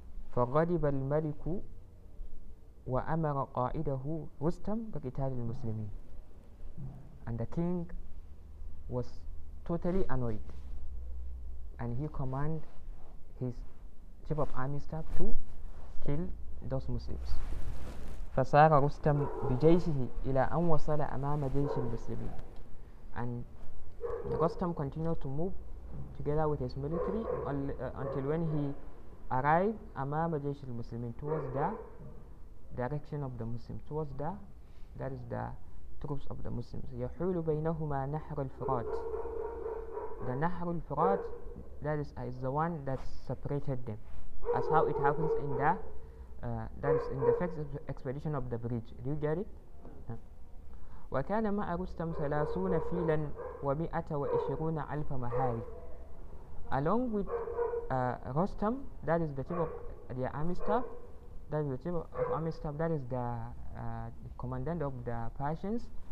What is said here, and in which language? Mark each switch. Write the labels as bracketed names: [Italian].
[Arabic] فغضب الملك وأمر قائده رستم بقتال المسلمين. [English] And the king was totally annoyed, and he commanded his chief of army staff to kill those Muslims. [Arabic] فسار رستم بجيشه إلى أن وصل أمام جيش المسلمين. [English] And Rustam continued to move together with his military until when he arrived [Arabic] أمام جيش المسلمين, [English] towards the direction of the Muslims, towards the, that is the troops of the Muslims. [Arabic] يحول بينهما نهر الفرات. [English] The نهر الفرات, that is the one that separated them, as how it happens in the that is in the first expedition of the bridge. Do you get it? [Arabic] وكان مع رستم 30 فيلا و120 ألف مهارب. [English] Along with Rustam, that is the chief of the army staff, that is the chief of army staff, that is the commandant of the Persians.